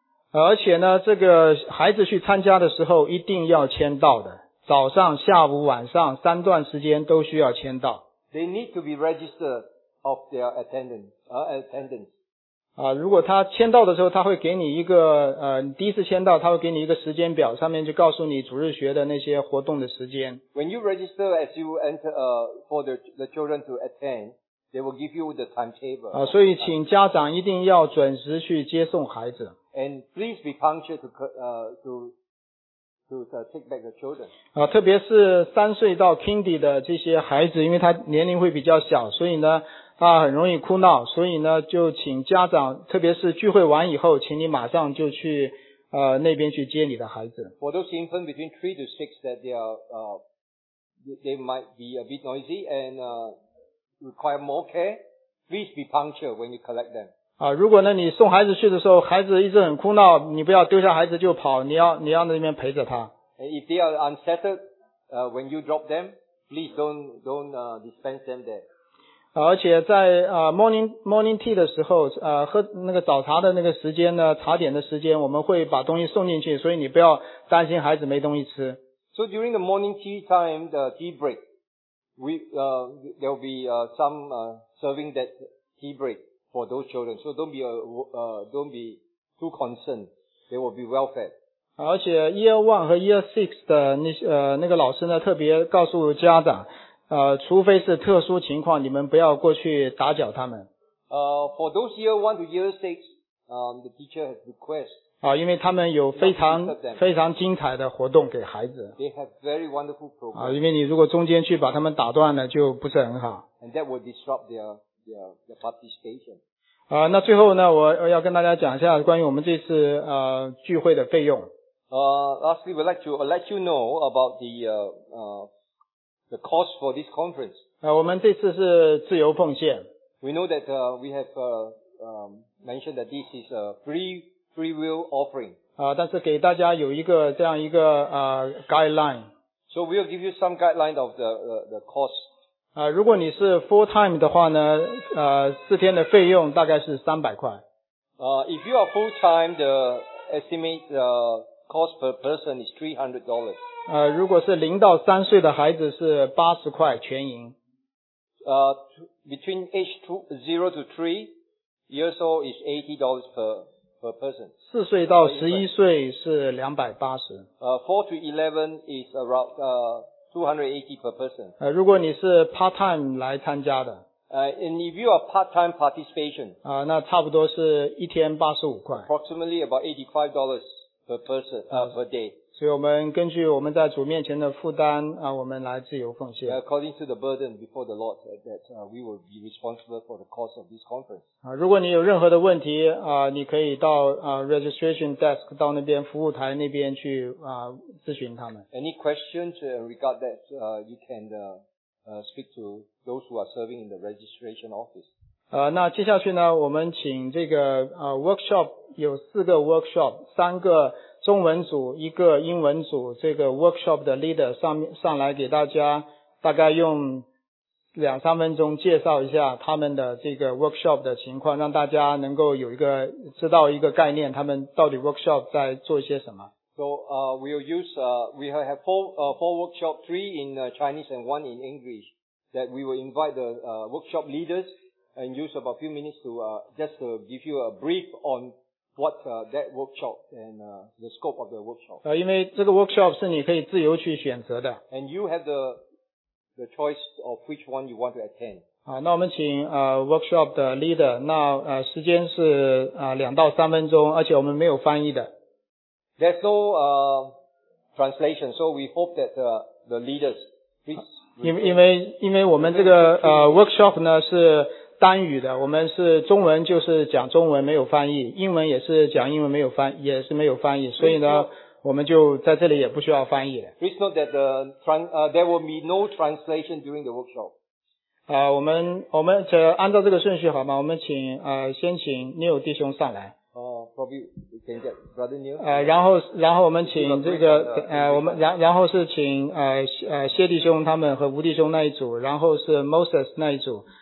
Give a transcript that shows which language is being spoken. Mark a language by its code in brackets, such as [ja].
[zh] 而且呢这个孩子去参加的时候一定要签到的。早上、下午、晚上三段时间都需要签到。 [en] They need to be registered of their attendance. [zh] 如果他签到的时候，他会给你一个第一次签到，他会给你一个时间表，上面就告诉你主日学的那些活动的时间。 [en] When you register as you enter for the children to attend, they will give you the timetable. [zh] 所以请家长一定要准时去接送孩子。 [en] And please be punctual to take back the children. [zh] 特别是三岁到 Kindy 的这些孩子，因为他年龄会比较小，所以呢他很容易哭闹，所以呢就请家长，特别是聚会完以后，请你马上就去那边去接你的孩子。 [en] For those infants between 3 to 6 that they are, they might be a bit noisy and require more care, please be punctual when you collect them. [zh] 如果呢你送孩子去的时候孩子一直很哭闹，你不要丢下孩子就跑，你要那边陪着他。 [en] If they are unsettled, when you drop them, please don't dispense them there. [zh] 而且在 [en] morning tea [zh] 的时候喝那个早茶的那个时间呢，茶点的时间，我们会把东西送进去，所以你不要担心孩子没东西吃。 [en] So during the morning tea time, the tea break, there will be serving that tea break. For those children, so don't be too concerned. They will be well fed. [zh] 而且 Year 1和 Year 6的那个老师呢，特别告诉家长，除非是特殊情况，你们不要过去打搅他们。 [en] For those Year 1 to Year 6, the teacher has requested. [zh] 因为他们有非常非常精彩的活动给孩子。 [en] They have very wonderful program. [zh] 因为你如果中间去把他们打断了，就不是很好。 [en] And that will disrupt their participation. [zh] 那最后呢我要跟大家讲一下关于我们这次聚会的费用。 [en] Lastly, we'd like to let you know about the cost for this conference. [zh] 我们这次是自由奉献。 [en] We know that we have mentioned that this is a free will offering. [zh] 但是给大家有一个这样一个guideline. [en] So we'll give you some guideline of the cost. [zh] 如果你是 [en] full time [zh] 的话呢，四天的费用大概是300块。 [en] If you are full time, the estimate cost per person is $300. [zh] 如果是零到三岁的孩子是80块全营。 [en] Between age 0 to 3 years old is $80 per person. [zh] 四岁到十一岁是280。 [en] 4 to 11 is around, $280 per person. [zh] 如果你是 part-time 来参加的。 [en] And if you are part-time participation. [zh] 那差不多是一天85块。 [en] Approximately about $85 per person, per day. [zh] 所以我们根据我们在主面前的负担啊，我们来自由奉献。 [en] According to the burden before the Lord, that we will be responsible for the cost of this conference. [zh] 啊，如果你有任何的问题啊，你可以到啊 [en] registration desk [zh] 到那边服务台那边去啊咨询他们。 [en] Any questions regard that? You can speak to those who are serving in the registration office. [zh] 那接下去呢，我们请这个workshop 有四个 workshop， 三个。中文组一个英文组这个 workshop 的 leader 上来给大家大概用两三分钟介绍一下他们的这个 workshop 的情况，让大家能够有一个知道一个概念，他们到底 workshop 在做些什么。 [en] So, we have four workshops, three in Chinese and one in English, that we will invite the workshop leaders and use about a few minutes to just to give you a brief onWhat that workshop and the scope of the workshop. [zh] 因为这个 workshop 是你可以自由去选择的。 [en] And you have the choice of which one you want to attend. [zh] 那我们请workshop 的 leader， 那时间是两到三分钟，而且我们没有翻译的。 [en] There's no translation, so we hope that the leaders please. [zh] 因为我们这个workshop 呢是。单语的，我们是中文就是讲中文没有翻译，英文也是讲英文没有翻，也是没有翻译，所以呢我们就在这里也不需要翻译了。 [en] Please note that there will be no translation during the workshop. [zh] 我们按照这个顺序好吗，我们请先请 Neil 弟兄上来。 [en] Probably we can get Brother Neil. [zh] 然后我们请这个我们然后是请谢弟兄他们和吴弟兄那一组，然后是 Moses 那一组。